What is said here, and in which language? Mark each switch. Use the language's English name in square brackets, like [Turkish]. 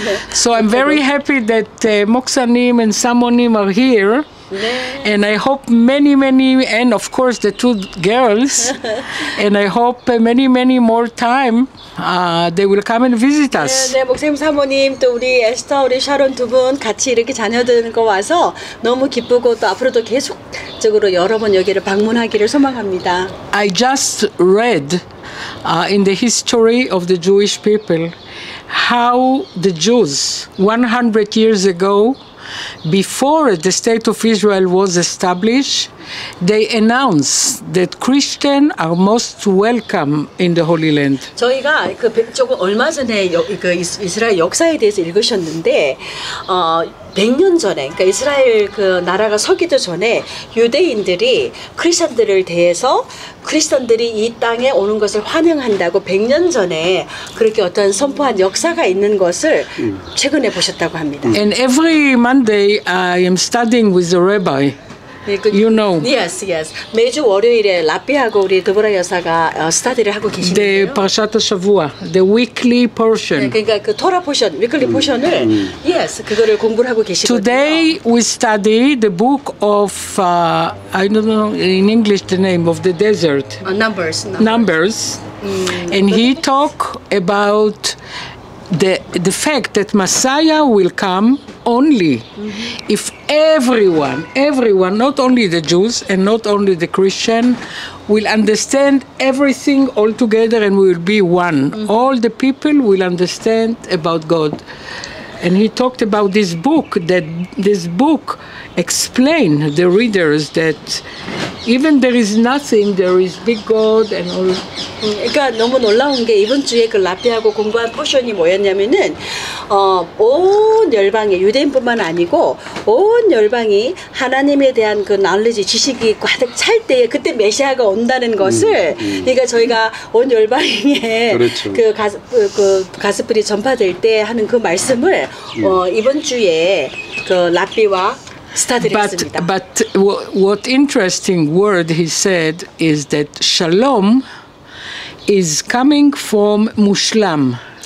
[English] So I'm very happy that [Korean] 목사님 and 사모님 [English] are here. [Korean] 네. [English] And I hope many, many, and of course the two girls, and I hope many, many more time they will come and visit us. [Korean] 네, 네 목사님, 사모님, 또 우리 에스터, 우리 샤론 두 분 같이 이렇게 자녀들과 와서 너무 기쁘고 또 앞으로도 계속적으로 여러 번 여기를 방문하기를 소망합니다. [English] I just read in the history of the Jewish people how the Jews 100 years ago before the state of Israel was established, they announced that Christians are most welcome in the Holy Land. [Korean] 저희가 그 조금 얼마 전에 그 이스라엘 역사에 대해서 읽으셨는데, 100년 전에, 그러니까 이스라엘 그 나라가 서기도 전에 유대인들이 크리스천들을 대해서 크리스천들이 이 땅에 오는 것을 환영한다고 100년 전에 그렇게 어떤 선포한 역사가 있는 것을 최근에 보셨다고 합니다. [English] And every Monday I am studying with the rabbi. You know. Yes, yes. [Korean] 매주 월요일에 라비하고 우리 드보라 여사가 스터디를 하고 계신데요. [English] The Parashat Shavua, the weekly portion. 네, [Korean] 그러니까 그 토라 포션, weekly 포션을 yes, 그거를 공부를 하고 계시거든요. [English] Today we study the book of I don't know in English the name of the desert. Numbers. And he talk about the fact that Messiah will come only if everyone, not only the Jews and not only the Christian, will understand everything all together and will be one. All the people will understand about God. And he talked about this book, that this book explain the readers that even there is nothing, there is big God and all. [Korean] 그러니까 너무 놀라운 게 이번 주에 그 라피하고 공부한 포션이 뭐였냐면은 온 열방에 유대인뿐만 아니고 온 열방이 하나님에 대한 그 knowledge 지식이 가득 찰 때에 그때 메시아가 온다는 것을 그러니까 저희가 온 열방에 그렇죠. 그 가스프리 전파될 때 하는 그 말씀을 이번 주에 그 라피와 [English] But what interesting word he said is that shalom is coming from mushlam.